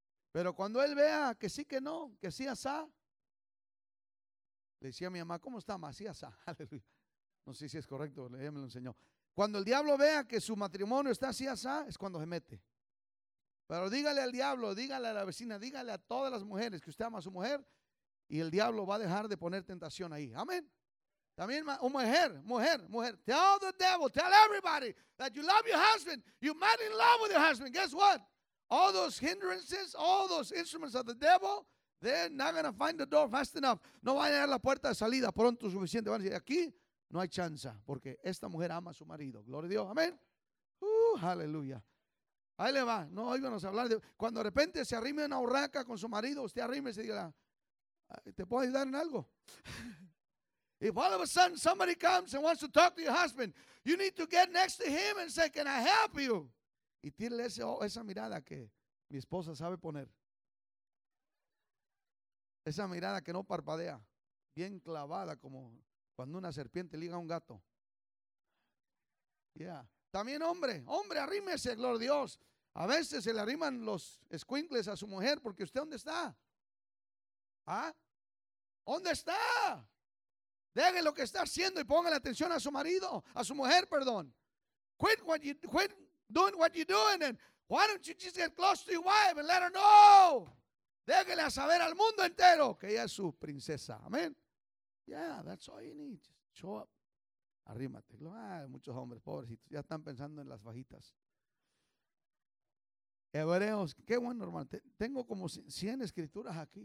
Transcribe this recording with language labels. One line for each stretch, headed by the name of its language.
Spanish: Pero cuando él vea que sí, que no, que sí, asá, le decía a mi mamá, ¿cómo está, Macías? Sí, aleluya. No sé si es correcto, ella me lo enseñó. Cuando el diablo vea que su matrimonio está así, asá, es cuando se mete. Pero dígale al diablo, dígale a la vecina, dígale a todas las mujeres que usted ama a su mujer y el diablo va a dejar de poner tentación ahí. Amén. También, mujer.
English: Tell the devil, tell everybody that you love your husband. You're mad in love with your husband. Guess what? All those hindrances, all those instruments of the devil, they're not going to find the door fast enough.
Spanish: No van a dar la puerta de salida pronto suficiente. Van a decir, aquí no hay chance porque esta mujer ama a su marido. Gloria a Dios. Amén. Aleluya. Ahí le va. No oíganos hablar de. Cuando de repente se arrime una urraca con su marido, usted arrime y diga, ¿te puedo ayudar en algo?
English: If all of a sudden somebody comes and wants to talk to your husband, you need to get next to him and say, can I help you?
Spanish: Y tírele esa mirada que mi esposa sabe poner. Esa mirada que no parpadea, bien clavada como cuando una serpiente liga a un gato. Yeah. También hombre, arrímese, gloria a Dios. A veces se le arriman los escuincles a su mujer porque usted, ¿dónde está? ¿Ah? ¿Dónde está? Deje lo que está haciendo y ponga la atención a su marido, a su mujer, perdón.
English: Quit doing what you're doing. And why don't you just get close to your wife and let her know?
Spanish: Déjele a saber al mundo entero que ella es su princesa.
English: Amén. Yeah, that's all you need. Just show up. Arrímate.
Spanish: Ay, muchos hombres, pobrecitos, ya están pensando en las fajitas. Hebreos, qué bueno, hermano. Tengo como 100 escrituras aquí.